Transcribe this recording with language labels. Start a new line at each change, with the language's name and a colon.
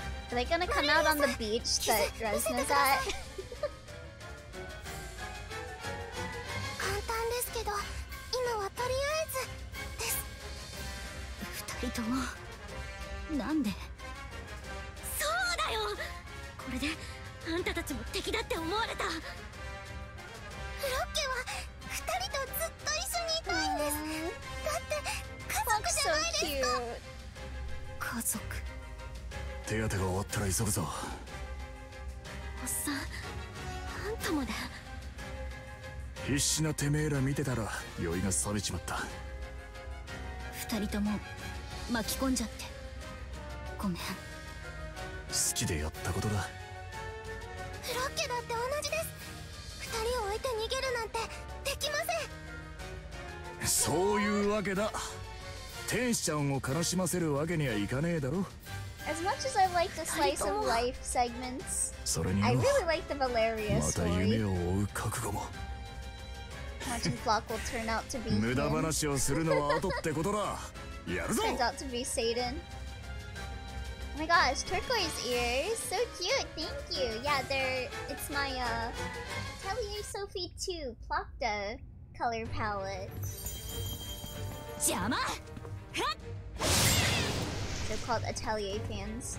English: Are they gonna come out on the beach that Resna's at?
Japanese: 簡単ですけど、今はとりあえずです。二人とも、なんで？そうだよ。これであんたたちも敵だって思われた。ロッケは二人とずっと一緒にいたいんです。だって家族じゃないですか。家族。手当てが終わったら急ぐぞ。おっさん、あんたまで。必死なてめえら見てたら酔いが冷めちまった。二人とも巻き込んじゃってごめん。好きでやったことだ。ロッケだって同じです。二人を置いて逃げるなんてできません。そういうわけだ。天使ちゃんを悲しませるわけにはいかねえだろ。
English: As much as I like the slice of life segments,
Japanese: それに
English: I really like the Valeria story.
Japanese: また夢を追う覚悟も。
English: Imagine Flock will turn out to be him.
Japanese: 無駄話をするのは後ってことだ。やるぞ。
English: Turns out to be Satan. Oh my gosh, turquoise ears, so cute, thank you. Yeah, it's my Atelier Sophie 2 Plopta color palette. They're called Atelier fans.